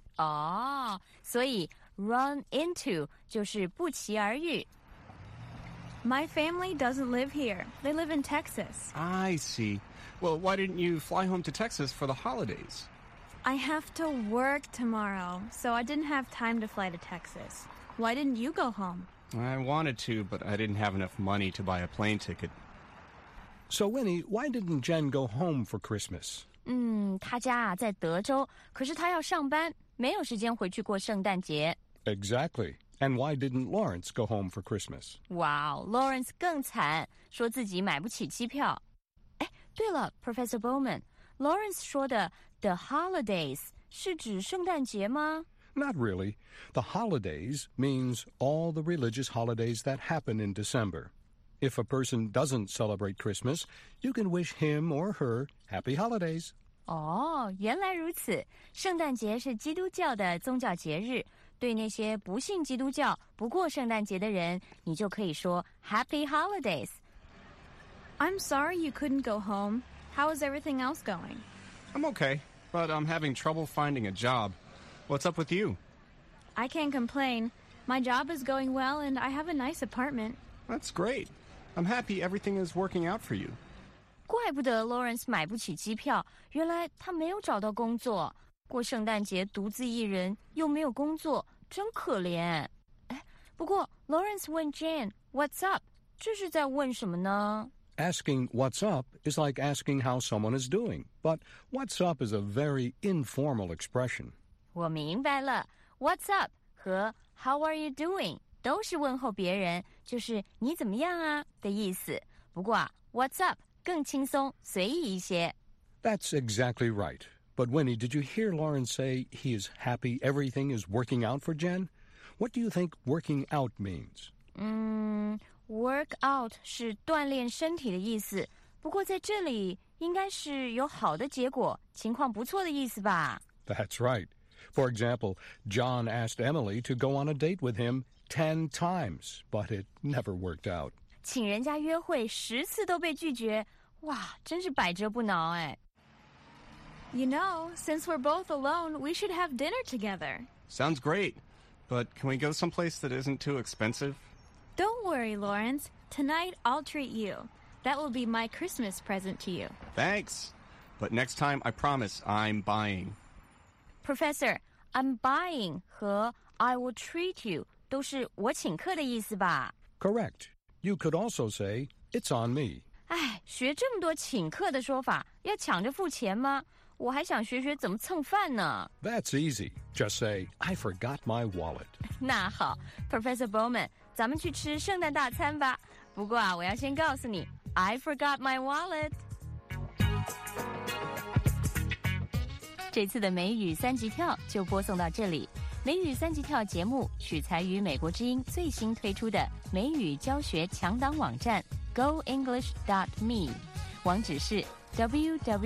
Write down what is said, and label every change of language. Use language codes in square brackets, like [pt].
[zh] Oh, 所以 run into 就是不期而遇。 [en] My family doesn't live here. They live in Texas. I see. Well, why didn't you fly home to Texas for the holidays? I have to work tomorrow, so I didn't have time to fly to Texas. Why didn't you go home? I wanted to, but I didn't have enough money to buy a plane ticket. So, Winnie, why didn't Jen go home for Christmas? [zh] 她家啊在德州，可是她要上班，没有时间回去过圣诞节。 [en] Exactly. And why didn't Lawrence go home for Christmas? [zh] Wow, Lawrence 更惨，说自己买不起机票。哎，对了 ,Professor Bowman, Lawrence 说的 the holidays 是指圣诞节吗？ [en] Not really. The holidays means all the religious holidays that happen in December. If a person doesn't celebrate Christmas, you can wish him or her happy holidays. [zh] Oh, 原来如此。圣诞节是基督教的宗教节日。对那些不信基督教、不过圣诞节的人，你就可以说 happy holidays. [en] I'm sorry you couldn't go home. How is everything else going? I'm okay, but I'm having trouble finding a job. What's up with you? I can't complain. My job is going well, and I have a nice apartment. That's great. I'm happy everything is working out for you. [zh] 怪不得 Lawrence 买不起机票，原来他没有找到工作。过圣诞节独自一人，又没有工作，真可怜。不过 Lawrence 问 Jane, what's up? 这是在问什么呢？ [en] Asking what's up is like asking how someone is doing, but what's up is a very informal expression. [zh] 我明白了 ,What's up? [en] 和 How are you doing? [zh] 都是问候别人，就是你怎么样啊的意思。不过啊 ,What's up? 更轻松随意一些。 [en] That's exactly right. But Winnie, did you hear Lawrence say he is happy everything is working out for Jen? What do you think working out means? [zh] Work out 是锻炼身体的意思。不过在这里应该是有好的结果，情况不错的意思吧。 [en] That's right. For example, John asked Emily to go on a date with him 10 times, but it never worked out. [zh] 请人家约会十次都被拒绝，哇，真是百折不挠哎。 [en] You know, since we're both alone, we should have dinner together. Sounds great, but can we go someplace that isn't too expensive? Don't worry, Lawrence. Tonight, I'll treat you. That will be my Christmas present to you. Thanks, but next time, I promise, I'm buying. [zh] Professor, I'm buying 和 [en] I will treat you [zh] 都是我请客的意思吧 [en] ？Correct. You could also say it's on me. [zh] 哎，学这么多请客的说法，要抢着付钱吗？我还想学学怎么蹭饭呢。 [en] That's easy. Just say I forgot my wallet. [zh] 那好 ，Professor Bowman， 咱们去吃圣诞大餐吧。不过啊，我要先告诉你 ， [en] I forgot my wallet. [zh] 这次的美语三级跳就播送到这里。美语三级跳节目取材于美国之音最新推出的美语教学强档网站 goenglish.me， 网址是 www